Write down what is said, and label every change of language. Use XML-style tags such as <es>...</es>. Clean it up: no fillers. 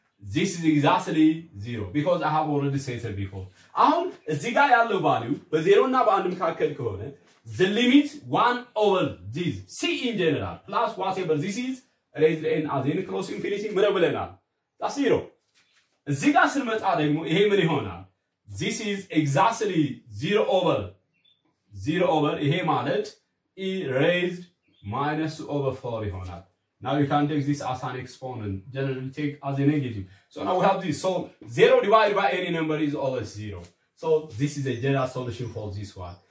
<en>This is exactly 0 because I have already said it before.</en> <am>አሁን እዚህ ጋር ያለው value በ0 እና በ1 መካከል ከሆነ</am> <en>the limit 1 over this c in general plus whatever this is raised n as n close infinity</en> <am>ምን ብለናል?</am> <en>That's 0.</en> <am>እዚህ ጋር ስንመጣ ደግሞ ይሄ ምን ይሆናል?</am> <en>This is exactly 0 over</en> <am>ይሄ ማለት</am> <en>e raised minus 2 over 4</en> <am>ይሆናል.</am> <en>Now you can take this as an exponent, generally take as a negative. So now we have this. So 0 divided by any number is always 0. So this is a general solution for this one.</en>